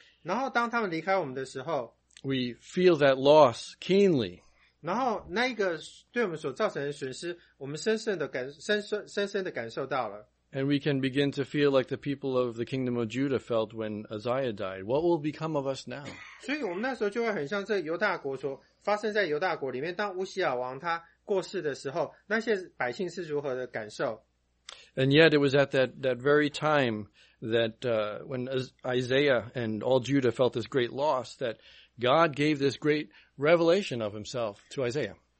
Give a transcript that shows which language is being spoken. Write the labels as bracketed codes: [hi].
[zh] 然后当他们离开我们的时候, [en] we feel that loss keenly. [zh] 然后那个对我们所造成的损失，我们深深的感受到了。 [en] And we can begin to feel like the people of the kingdom of Judah felt when Uzziah died. What will become of us now? [zh] 所以我们那时候就会很像这犹大国所发生在犹大国里面，当乌西亚王他过世的时候，那些百姓是如何的感受？ [en] And yet it was at that very time that when Isaiah and all Judah felt this great loss, that God gave this great revelation of himself to Isaiah.